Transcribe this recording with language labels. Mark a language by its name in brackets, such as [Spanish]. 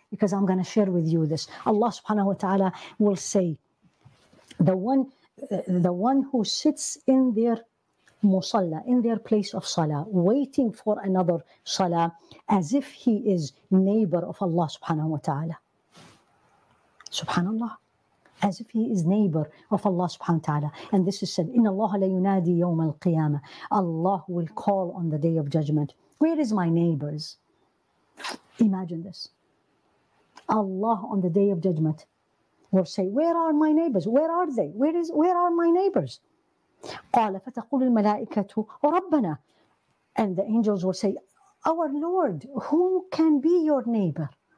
[English] Because I'm going to share with you this. Allah subhanahu wa ta'ala will say, the one who sits in their musalla, in their place of salah, waiting for another salah, as if he is neighbor of Allah subhanahu wa ta'ala. Subhanallah. As if he is neighbor of Allah subhanahu wa ta'ala. And this is said, [Arabic] إِنَّ اللَّهَ لَيُنَادِي يَوْمَ الْقِيَامَةِ. [English] Allah will call on the day of judgment. Where is my neighbors? Imagine this. Allah on the day of judgment will say, where are my neighbors? Where are they? Where are my neighbors? [Arabic] قال فتقول الملائكة ربنا, [English] and the angels will say, our Lord, who can be your neighbor?